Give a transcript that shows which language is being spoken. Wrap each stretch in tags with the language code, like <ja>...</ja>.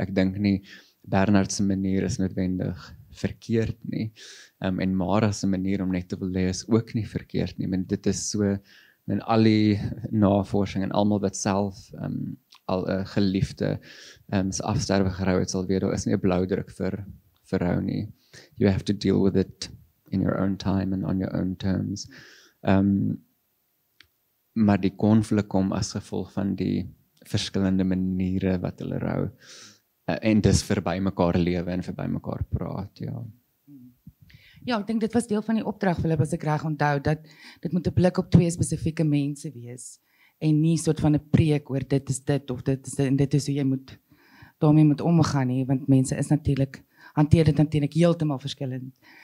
<af>Ek dink nie Bernard se manier is noodwendig verkeerd nie. En Mara se manier om net te wil lees ook nie verkeerd nie. Men dit is so in al die navorsing en almal wat self al 'n geliefde se afsterwe gerou het sal weet daar is nie 'n blou druk vir rou nie.</af> <en>You have to deal with it in your own time and on your own terms.</en> <af>Maar die konflik kom as gevolg van die verskillende maniere wat hulle rou. En dis verby mekaar lewe en verby mekaar praat, ja. Ja, ek dink dit was deel van die opdrag, Philip, as ek reg onthou, dat dit moet 'n blik op twee spesifieke mense wees en nie soort van 'n preek oor dit is dit of dit is dit, en dit is hoe jy moet daarmee moet omgaan nie, want mense is natuurlik hanteer dit natuurlik heeltemal verskillend.</af>